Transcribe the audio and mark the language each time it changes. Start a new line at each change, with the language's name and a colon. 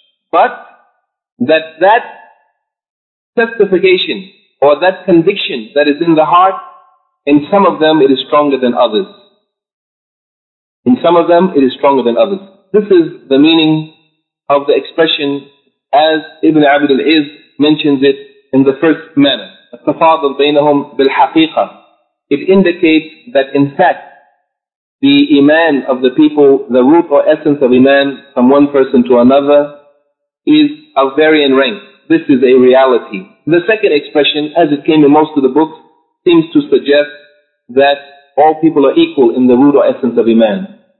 English: But that testification or that conviction that is in the heart, in some of them it is stronger than others. In some of them it is stronger than others. This is the meaning of the expression as Ibn Abd al-Izz mentions it in the first manner.
Arabic: التفاضل بينهم بالحقيقة.
English: It indicates that in fact the iman of the people, the root or essence of iman from one person to another is of varying rank. This is a reality. The second expression, as it came in most of the books, seems to suggest that all people are equal in the root or essence of iman.